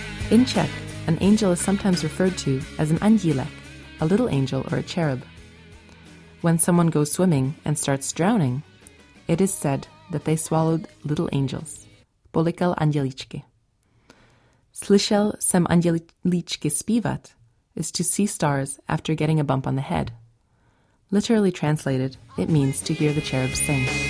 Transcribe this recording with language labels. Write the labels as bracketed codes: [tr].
[en] In Czech, an angel is sometimes referred to as an andílek, a little angel or a cherub. When someone goes swimming and starts drowning, it is said that they swallowed little angels. [cs] Polikal andělíčky. Slyšel jsem andělíčky zpívat [en] is to see stars after getting a bump on the head. Literally translated, it means to hear the cherubs sing.